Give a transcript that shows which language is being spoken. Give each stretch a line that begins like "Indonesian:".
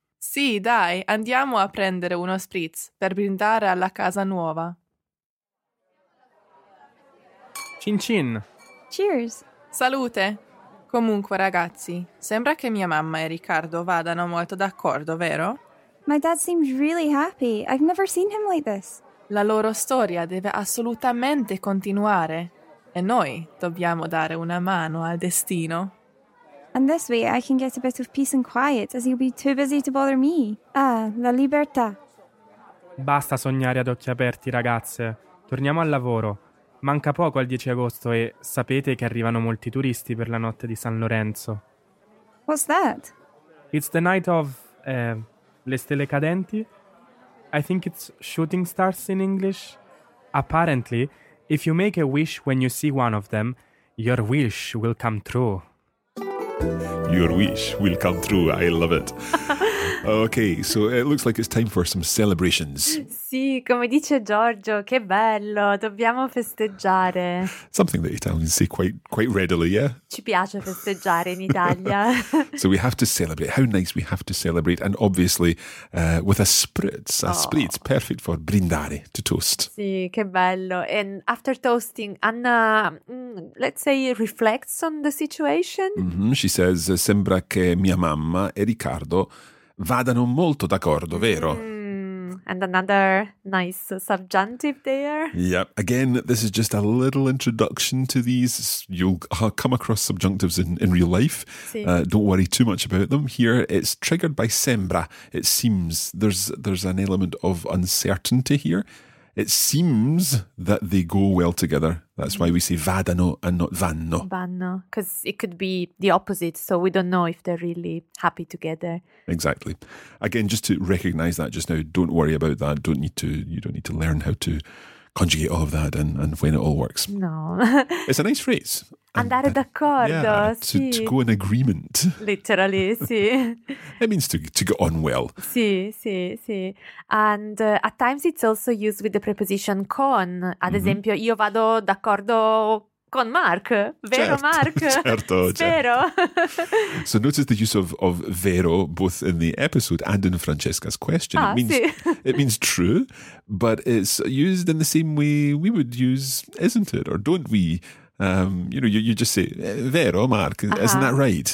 Italian: Sì, dai, andiamo a prendere uno spritz per brindare alla casa nuova. Cin cin!
English: Cheers!
Italian: Salute! Comunque, ragazzi, sembra che mia mamma e Riccardo vadano molto d'accordo, vero?
English: My dad seems really happy. I've never seen him like this.
Italian: La loro storia deve assolutamente continuare. E noi dobbiamo dare una mano al destino.
English: And this way I can get a bit of peace and quiet, as you'll be too busy to bother me.
Italian: Ah, la libertà. Basta sognare ad occhi aperti, ragazze. Torniamo al lavoro. Manca poco al 10 agosto e sapete che arrivano molti turisti per la notte di San Lorenzo.
English: What's that? It's the night of...
Italian: le stelle cadenti?
English: I think it's shooting stars in English. Apparently, if you make a wish when you see one of them, your wish will come true. Your wish will come true. I love it. Okay, so it looks like it's time for some celebrations.
Italian: Sì, come dice Giorgio, che bello, dobbiamo festeggiare.
English: Something that Italians say quite readily, yeah?
Italian: Ci piace festeggiare in Italia.
English: So we have to celebrate. How nice, we have to celebrate. And obviously with a spritz, spritz, perfect for brindare, to toast.
Italian: Sì, che bello.
English: And after toasting, Anna, let's say, reflects on the situation. Mm-hmm. She says,
Italian: sembra che mia mamma e Riccardo... vadano molto d'accordo, vero?
English: And another nice subjunctive there. Yeah, again, this is just a little introduction to these. You'll come across subjunctives in real life.
Italian: Sì.
English: Don't worry too much about them. Here, it's triggered by sembra. It seems there's an element of uncertainty here. It seems that they go well together. That's why we say vadano and not vanno. Vanno, because it could be the opposite, so we don't know if they're really happy together. Exactly. Again, just to recognize that just now, don't worry about that. You don't need to learn how to conjugate all of that and when it all works. No. It's a nice phrase.
Italian: Andare d'accordo,
English: yeah,
Italian: sì.
English: To go in agreement. Literally, sì. It means to get on well.
Italian: Sì, sì, sì.
English: And at times it's also used with the preposition con.
Italian: Ad mm-hmm. esempio, io vado d'accordo con Mark. Vero, certo, Mark? Certo, spero. Certo.
English: So notice the use of vero both in the episode and in Francesca's question. Ah, it means,
Italian: sì.
English: It means true, but it's used in the same way we would use, isn't it? Or don't we? You know, you just say, vero, Mark, uh-huh. Isn't that right?